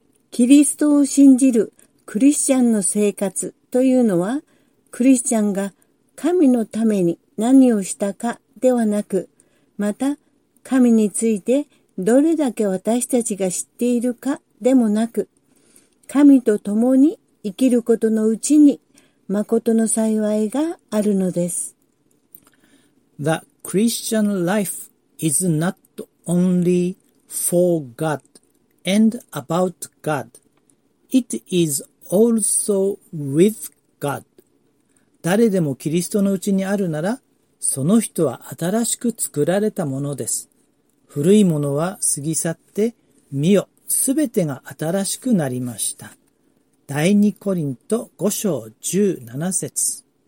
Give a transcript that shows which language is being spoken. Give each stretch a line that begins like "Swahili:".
Japanese: キリストを信じるクリスチャンの生活というのは、クリスチャンが神のために何をしたかではなく、また神についてどれだけ私たちが知っているかでもなく、神と共に生きることのうちに誠の幸いがあるのです。
English: The Christian life is not only for God and about God. It is also with God.
Japanese: 誰でもキリストのうちにあるなら、その人は新しく作られたものです。古いものは過ぎ去って、見よ、すべてが新しくなりました。第2コリント5章17節。